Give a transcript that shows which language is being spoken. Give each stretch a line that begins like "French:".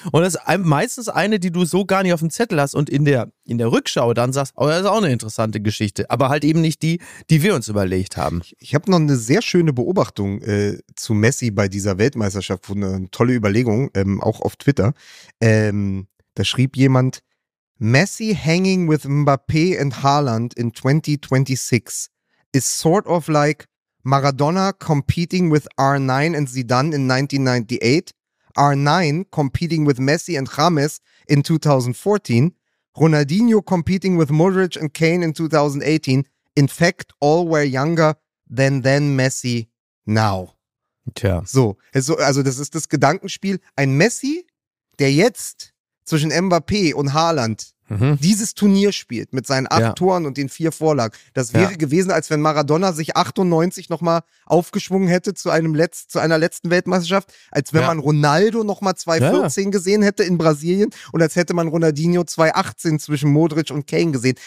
German: Und das ist meistens eine, die du so gar nicht auf dem Zettel hast und in der Rückschau dann sagst, oh, das ist auch eine interessante Geschichte, aber halt eben nicht die, die wir uns überlegt haben. Ich habe noch eine sehr schöne Beobachtung zu Messi bei dieser Weltmeisterschaft, eine tolle Überlegung, auch auf Twitter. Da schrieb jemand,
English: Messi hanging with Mbappé and Haaland in 2026 is sort of like Maradona competing with R9 and Zidane in 1998, R9 competing with Messi and James in 2014, Ronaldinho competing with Modric and Kane in 2018. In fact, all were younger than then Messi now.
German: Tja. So, also das ist das Gedankenspiel. Ein Messi, der jetzt zwischen Mbappé und Haaland dieses Turnier spielt mit seinen 8 Toren und den 4 Vorlagen, das wäre gewesen, als wenn Maradona sich 98 nochmal aufgeschwungen hätte zu einer letzten Weltmeisterschaft, als wenn man Ronaldo nochmal 2014 gesehen hätte in Brasilien und als hätte man Ronaldinho 2018 zwischen Modric und Kane gesehen.